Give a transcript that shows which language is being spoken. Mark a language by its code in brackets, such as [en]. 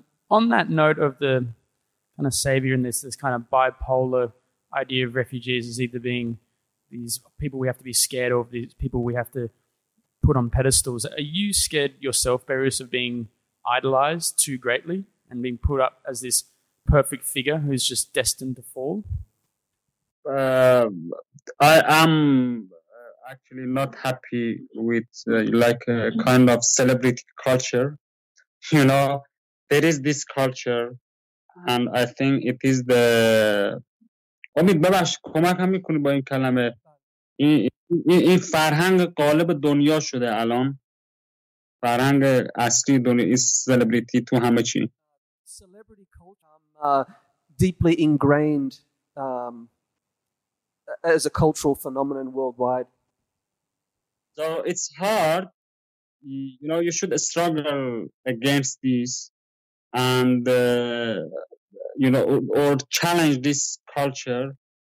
[en] On that note of the kind of savior in this kind of bipolar idea of refugees as either being these people we have to be scared of, these people we have to put on pedestals, are you scared yourself, Behruz, of being idolized too greatly and being put up as this perfect figure who's just destined to fall? I am actually not happy with a kind of celebrity culture. You know, there is this culture, and I think it is the... [fa] امید ببخش کمک هم میکنی با این کلمه این فرهنگ قالب دنیا شده الان فرهنگ اصلی دنیا این سلبریتی تو همه چی [en] Celebrity culture deeply ingrained as a cultural phenomenon worldwide. So it's hard, you know, you should struggle against this and you know, or challenge this culture.